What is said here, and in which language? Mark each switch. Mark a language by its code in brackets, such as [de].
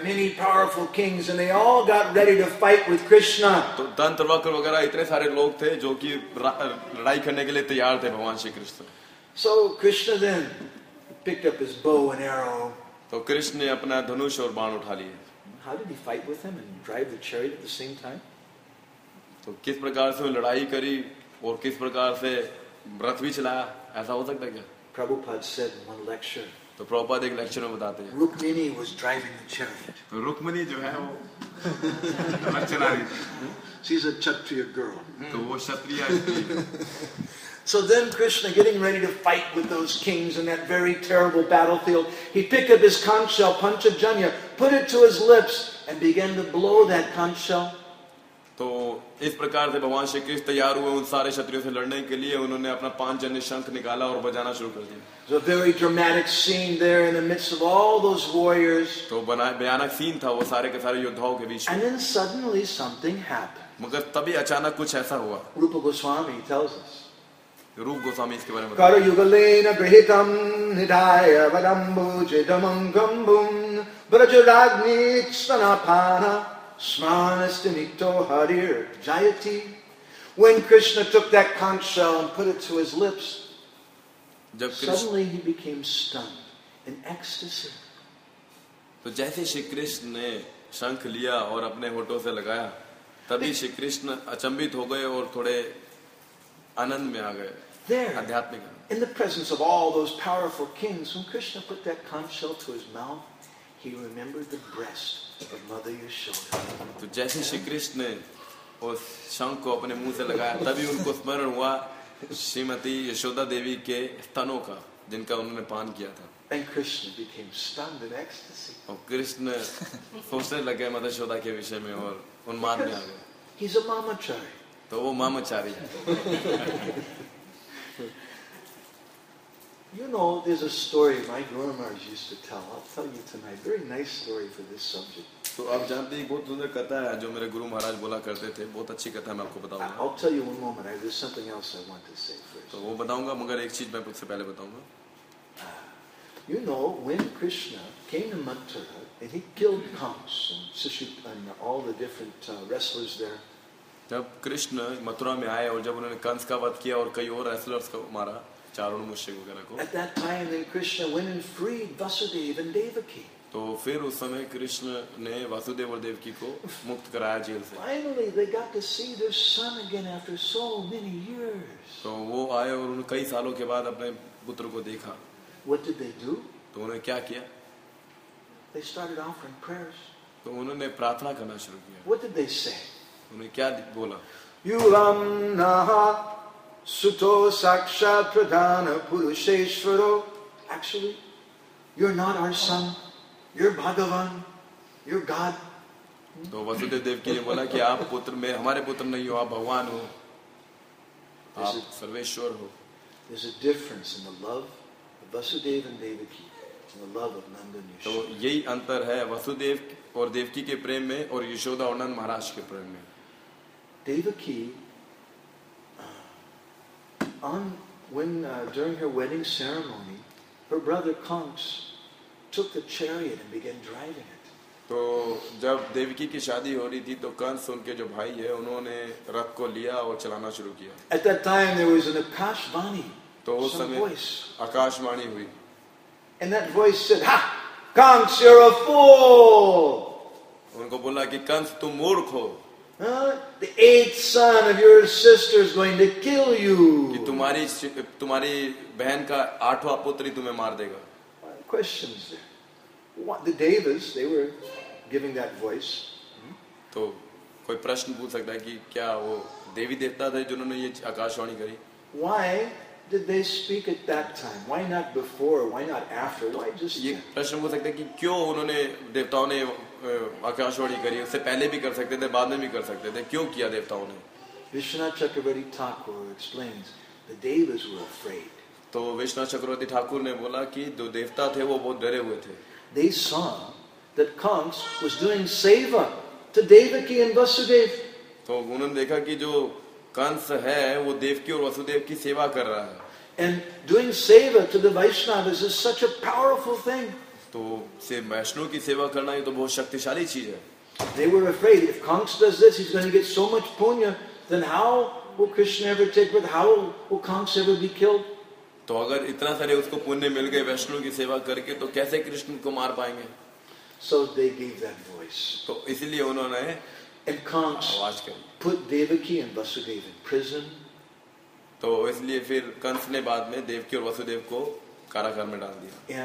[en] Many powerful kings, and they all got ready to fight with Krishna. [hi] तो दंतवक्र वगैरह इतने सारे लोग थे जो कि लड़ाई करने के लिए तैयार थे भगवान Shri Krishna. [en] So Krishna then picked up his bow and arrow. [hi] तो कृष्ण ने अपना धनुष और बाण उठा लिए. [en] How did he fight with him and drive the chariot at the same time? [hi] तो किस प्रकार से लड़ाई करी और किस प्रकार से रथ भी चलाया, ऐसा हो सकता क्या? [en] Prabhupada said in one lecture. [hi] तो प्रभुपाद एक लेक्चर में बताते हैं. [en] Rukmini was driving the chariot. [hi] तो रुक्मिणी जो है वो रथ चला रही थी. [en] She's a Kshatriya girl. [hi] तो वो क्षत्रिया थी. [en] So then Krishna, getting ready to fight with those kings in that very terrible battlefield, he picked up his conch shell, Panchajanya, put it to his lips and began to blow that conch shell. [hi] तो इस प्रकार से भगवान श्री कृष्ण तैयार हुए उन सारे क्षत्रियों से लड़ने के लिए. उन्होंने अपना पांचजन्य शंख निकाला और बजाना शुरू कर दिया. [en] So very dramatic scene there in the midst of all those warriors. [hi] तो भयानक सीन था वो सारे के सारे योद्धाओं के बीच. [en] And then suddenly something happened. [hi] मगर तभी अचानक कुछ ऐसा हुआ. [en] Rup Goswami tells us. [hi] रूप गोस्वामी इसके बारे में. [sa] कर युगलेन गृहीतम निधाय वदम्बुजिदमंगम्बुम ब्रजराग्निस्तनापाना स्मानस्तनितो हरिर जायति. [en] When Krishna took that conch shell and put it to his lips, suddenly he became stunned in ecstasy. [hi] तो जैसे श्री कृष्ण ने शंख लिया और अपने होठों से लगाया, तभी श्री कृष्ण अचंभित हो गए और थोड़े आनंद में आ गए. [en] There, in the presence of all those powerful kings, when Krishna put that conch shell to his mouth, he remembered the breast of Mother Yashoda. [hi] तो जैसे श्री कृष्ण ने उस शंख को अपने मुंह से लगाया, तभी उनको स्मरण हुआ श्रीमती यशोदा देवी के स्तनों का, जिनका उन्होंने पान किया था. [en] And Krishna became stunned in ecstasy. [hi] और कृष्ण सोचने लगे मदर यशोदा के विषय में और उन्माद में आ गए. [en] He's a mamachari. [hi] तो वो मामाचारी है. [en] You know, there's a story my Guru Maharaj used to tell. I'll tell you tonight. Very nice story for this subject. [hi] So, आप जानते हैं बहुत सुंदर कथा है जो मेरे गुरु महाराज बोला करते थे. बहुत अच्छी कथा, मैं आपको बताऊंगा. [en] I'll tell you one moment. There's something else I want to say first. [hi] तो वो बताऊंगा, मगर एक चीज मैं उससे पहले बताऊंगा. [en] You know, when Krishna came to Mathura and he killed Kams and Sushupa and all the different wrestlers there. [hi] जब कृष्ण मथुरा में आए और जब उन्होंने कंस का वध किया और कई और रेसलर्स को मारा, चारुण मूर्छित वगैरह को. [en] At that time, then Krishna went and freed Vasudeva and Devaki. [hi] तो फिर उस समय कृष्ण ने वासुदेव और देवकी को मुक्त कराया जेल से. [en] Finally, they got to see their son again after so many years. [hi] तो वो आए और उन्होंने कई सालों के बाद अपने पुत्र को देखा. [en] What did they do? [hi] तो उन्होंने क्या किया? [en] They started offering prayers. [hi] तो उन्होंने प्रार्थना करना शुरू किया. [en] What did they say? [hi] उन्हें क्या बोला? [sa] युवम नहा सुतो साक्षात प्रधान पुरुषेश्वरो. [en] Actually, you're not our son. You're Bhagavan. You're God. [hi] तो वसुदेव देवकी ने बोला कि आप पुत्र में हमारे पुत्र नहीं हो, आप भगवान हो, आप सर्वेश्वर हो. [en] There's a difference in the love of Vasudeva and Devaki and the love of Nanda and Yashoda. [hi] तो यही अंतर है वसुदेव और देवकी के प्रेम में और यशोदा और नंद महाराज के प्रेम में. [en] Devaki, during her wedding ceremony, her brother Kams took the chariot and began driving it. [hi] तो जब देवकी की शादी हो रही थी तो कंस उनके जो भाई है उन्होंने रथ को लिया और चलाना शुरू किया. [en] At that time there was an akashvani. [hi] तो उस समय आकाशवाणी हुई. [en] And that voice said, "Ha, Kams, you're a fool." [hi] उनको बोला कि कंस तुम मूर्ख हो. [en] The eighth son of your sister is going to kill you. [hi] कि तुम्हारी बहन का आठवां पुत्र ही तुम्हें मार देगा. [en] Questions there. What the devas, they were giving that voice. [hi] तो कोई प्रश्न पूछ सकता है कि क्या वो देवी देवता थे जिन्होंने ये आकाशवाणी करी? [en] Why did they speak at that time? Why not before? Why not after? Why just? [hi] ये प्रश्न पूछ सकता है कि क्यों उन्होंने देवताओं ने आकाशवाणी करी, उससे पहले भी कर सकते थे, बाद में भी कर सकते थे, क्यों किया देवताओं ने? [en] Vishwanath Chakravarti Thakur explains the devas were afraid. [hi] तो विश्वनाथ चक्रवर्ती ठाकुर ने बोला कि जो देवता थे वो बहुत डरे हुए थे. [en] They saw that Kams was doing seva to Devaki and Vasudev. [hi] तो उन्होंने देखा कि जो कंस है वो देवकी और वसुदेव की सेवा कर रहा है. [en] And doing seva to the Vaishnavas is such a powerful thing. [hi] तो वैष्णव की सेवा करना ये तो बहुत शक्तिशाली चीज है. [en] They were afraid if Kongs does this, he's going to get so much punya, then how will Krishna ever take birth? How will Kongs ever be killed? [hi] तो अगर इतना सारे उसको पुण्य मिल गए वैष्णव की सेवा करके तो कैसे कृष्ण को मार पाएंगे? [en] So they gave that voice. [hi] तो इसलिए उन्होंने [en] and Kongs [hi] आवाज कर [en] put Devaki and Vasudev in prison. [hi] तो इसलिए फिर कंस ने बाद में देवकी और वसुदेव को कारागार में डाल दिया.